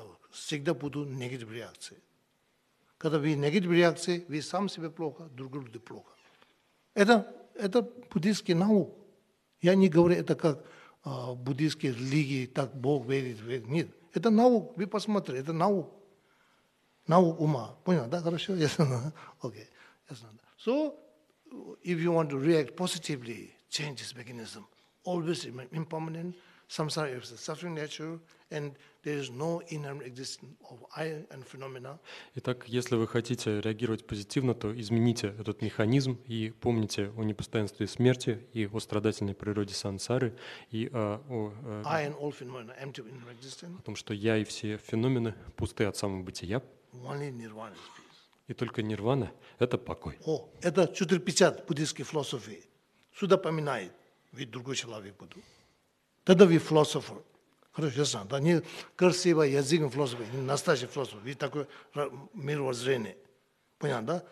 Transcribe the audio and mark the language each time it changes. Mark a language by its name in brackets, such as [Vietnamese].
[Russian] Всегда будут негативные реакции. Когда вы негативные реакции, вы сам себе плохо, другие люди плохо. Это буддийский наук. Я не говорю это как буддийские религии, так Бог верит, верит. Нет. Это наука, вы посмотрите, это наука. Наука ума. Понял, да? Хорошо? Ясно? Окей. Ясно. [English] So, if you want to react positively, change this mechanism, always impermanent, samsara is a suffering nature, and there is no inherent existence of I and phenomena. [Russian] Итак, если вы хотите реагировать позитивно, то измените этот механизм и помните о непостоянстве смерти и о страдательной природе сансары и [English] I and all phenomena empty of inherent existence. [Russian] О том, что я и все феномены пусты от самого бытия. [English] Only nirvana is peace. [Russian] И только нирвана – это покой. О, это 450 буддийской философии. Сюда поминает, ведь другой человек буду. Тогда вы философер. Хорошо, да, не красивый язык философа, не настоящий философ, вы такой мировоззрение. Понятно, да?